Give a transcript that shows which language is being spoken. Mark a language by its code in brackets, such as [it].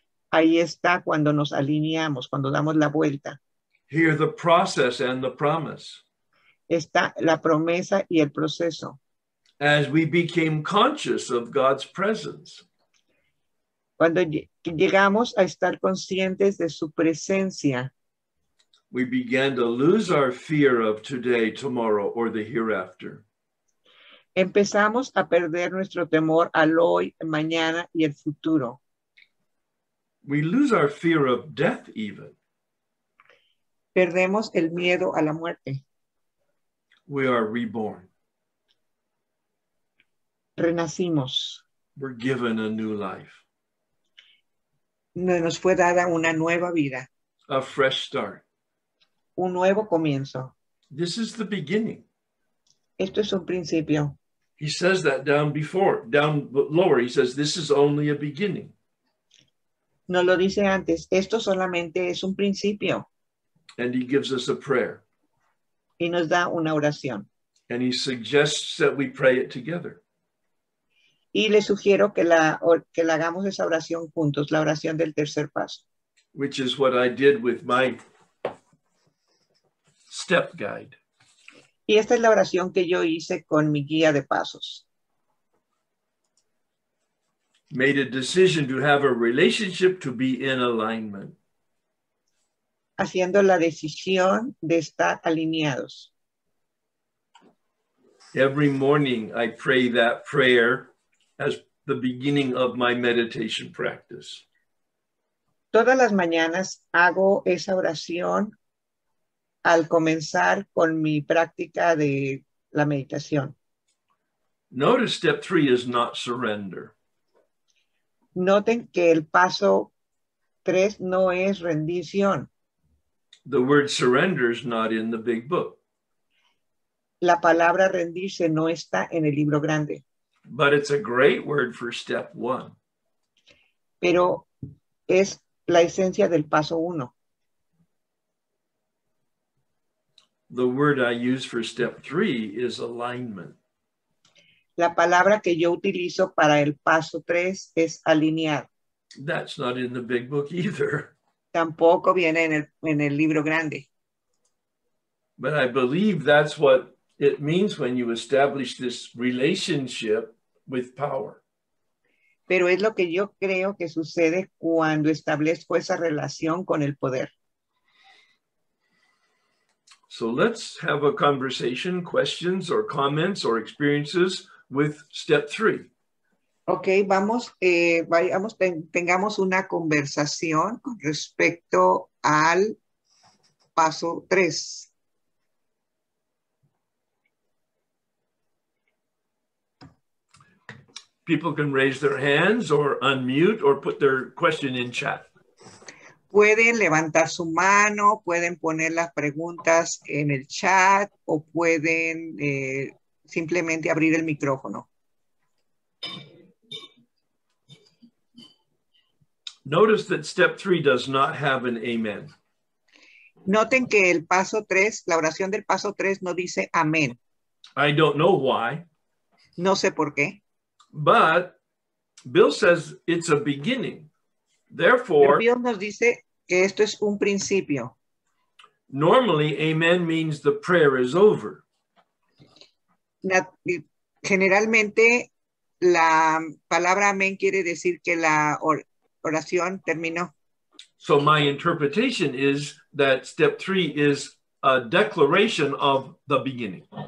[es] Ahí está cuando nos alineamos, cuando damos la vuelta. [en] Hear the process and the promise. [es] Está la promesa y el proceso. [en] As we became conscious of God's presence. [es] Cuando llegamos a estar conscientes de su presencia. [en] We began to lose our fear of today, tomorrow, or the hereafter. [es] Empezamos a perder nuestro temor al hoy, mañana, y el futuro. [en] We lose our fear of death even. [es] Perdemos el miedo a la muerte. [en] We are reborn. [es] Renacimos. [en] We're given a new life. [es] Nos fue dada una nueva vida. [en] A fresh start. [es] Un nuevo comienzo. [en] This is the beginning. [es] Esto es un principio. [en] He says that down before, down lower. He says this is only a beginning. [es] No lo dice antes. Esto solamente es un principio. [en] And he gives us a prayer. [es] Y nos da una oración. [en] And he suggests that we pray it together. [es] Y le sugiero que la hagamos esa oración juntos, la oración del tercer paso. [en] Which is what I did with my step guide. [es] Y esta es la oración que yo hice con mi guía de pasos. [en] made a decision to have a relationship to be in alignment. [es] Haciendo la decisión de estar alineados. [en] Every morning I pray that prayer as the beginning of my meditation practice. [es] Todas las mañanas hago esa oración al comenzar con mi práctica de la meditación. [en] Notice step three is not surrender. [es] Noten que el paso tres no es rendición. [en] The word surrender is not in the big book. [es] La palabra rendirse no está en el libro grande. [en] But it's a great word for step one. [es] Pero es la esencia del paso uno. [en] The word I use for step three is alignment. [es] La palabra que yo utilizo para el paso tres es alinear. [en] That's not in the big book either. [es] Tampoco viene en el libro grande. [en] But I believe that's what it means when you establish this relationship with power. [es] Pero es lo que yo creo que sucede cuando establezco esa relación con el poder. [en] So let's have a conversation, questions or comments or experiences with step three. [es] Okay, tengamos una conversación con respecto al paso tres. [en] People can raise their hands or unmute or put their question in chat. [es] Pueden levantar su mano, pueden poner las preguntas en el chat o pueden simplemente abrir el micrófono. [en] Notice that step three does not have an amen. [es] Noten que el paso tres, la oración del paso tres no dice amén. [en] I don't know why. [es] No sé por qué. [en] But Bill says it's a beginning. Therefore, [es] pero Bill nos dice que esto es un principio. [en] Normally, amen means the prayer is over. [es] Generalmente, la palabra amén quiere decir que la oración terminó. [en] So my interpretation is that step three is a declaration of the beginning.